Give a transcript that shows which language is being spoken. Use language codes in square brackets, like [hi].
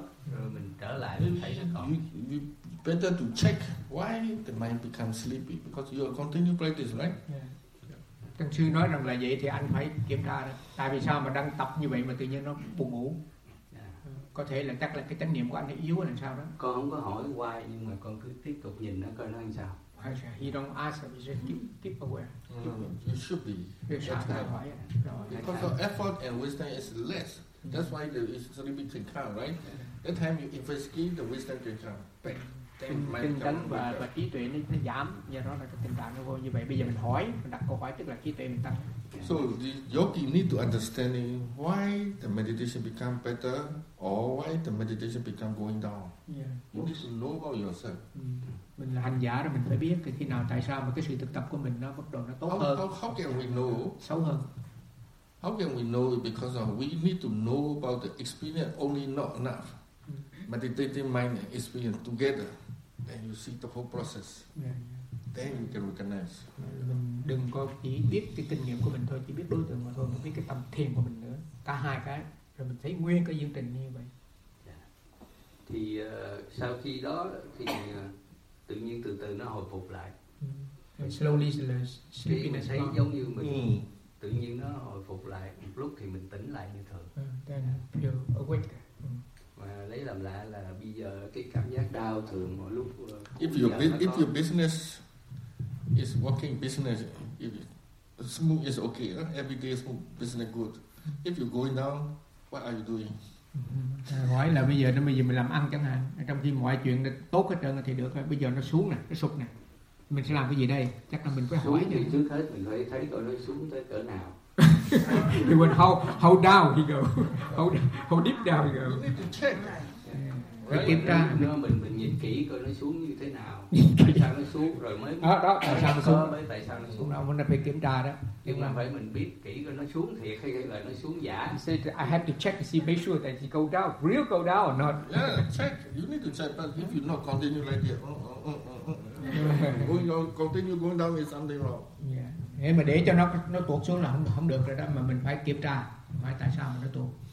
[en] You better to check why the mind becomes sleepy because you are continuing practice, right? Yeah. [vi] Thầy sư nói rằng là vậy thì anh phải kiểm tra đó. Tại vì sao mà đang tập như vậy mà tự nhiên nó buồn ngủ? Có thể là chắc là cái chánh niệm của anh nó yếu hay sao đó. Con không có hỏi why nhưng mà con cứ tiếp tục nhìn nó coi nó làm sao. [en] He don't ask, but just keep aware. You should be. Because of effort and wisdom is less. That's why the sleepy can come, right? That time you investigate the wisdom can come. [vi] Tinh tấn và trí tuệ nó giảm, do đó là cái tình trạng nó vô như vậy. Bây giờ mình hỏi, mình đặt câu hỏi tức là trí tuệ mình tăng. [en] So the yogi need to understanding why the meditation become better or why the meditation become going down. Yeah. You need to know about yourself. [vi] Mình là hành giả rồi mình phải biết thì khi nào tại sao mà cái sự thực tập của mình nó bắt đầu nó tốt hơn. [en] How can we know? [vi] Xấu hơn. [en] How can we know? Because of we need to know about the experience only not enough. Meditating mind and experience together, then you see the whole process. Then you can recognize. [vi] Mình đừng có chỉ biết cái kinh nghiệm của mình thôi, chỉ biết đối tượng mà thôi, mình biết cái tâm thiền của mình nữa, cả hai cái, rồi mình thấy nguyên cái chương trình như vậy. Thì sau khi đó thì tự nhiên từ từ nó hồi phục lại. [en] Slowly, slowly. Khi [vi] mình thấy giống như mình tự nhiên nó hồi phục lại, một lúc thì mình tỉnh lại như thường. [en] Then feel awake. [vi] Mà lấy làm lạ là bây giờ cái cảm giác đau thường mỗi lúc [en] if your business is working business, if smooth is okay, every day smooth business good. If you going down, what are you doing? [vi] Hỏi là bây giờ nó bây giờ mình làm ăn chẳng hạn, trong khi mọi chuyện tốt hết trơn thì được, bây giờ nó xuống nè, nó sụp nè, mình sẽ làm cái gì đây? Chắc là mình phải xuống hỏi thì trước hết mình phải thấy coi nó xuống tới cỡ nào. [en] He went how down he go, how deep down he go. You need to check. [vi] Yeah. Kiểm tra. Mình nhìn kỹ coi nó xuống như thế nào. Tại sao nó xuống rồi mới. À, đó. Tại sao nó xuống? Tại sao nó xuống? Đâu, mình phải kiểm tra đó. Nhưng mà phải mình biết kỹ coi nó xuống thiệt hay là nó xuống giả. [en] He said, I have to check to see, make sure that he go down, real go down or not. Yeah, check. You need to check. But if you not continue like that, continue going down is something wrong. Yeah. [vi] Thế mà để cho nó tuột xuống là không được rồi đó, mà mình phải kiểm tra phải tại sao mà nó tuột.